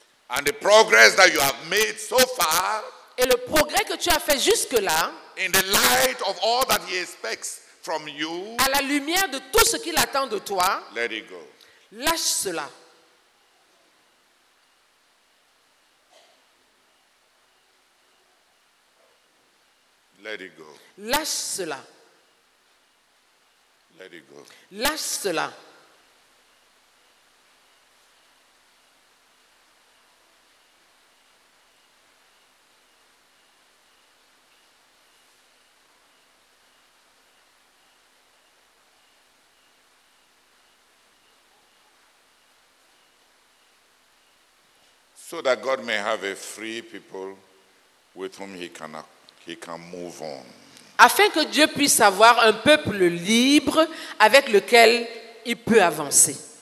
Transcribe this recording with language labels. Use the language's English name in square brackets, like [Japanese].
[English] And the progress that you have made so far. [French] Et le progrès que tu as fait jusque-là. [English] In the light of all that he expects from you. [French] À la lumière de tout ce qu'il attend de toi. [English] Let it go. [French] Lâche cela. [English] Let it go. [French] Lâche cela. [English] Let it go. [French] Lâche cela. [English] So that God may have a free people with whom he can move on. [French] Afin que Dieu puisse avoir un peuple libre avec lequel il peut avancer.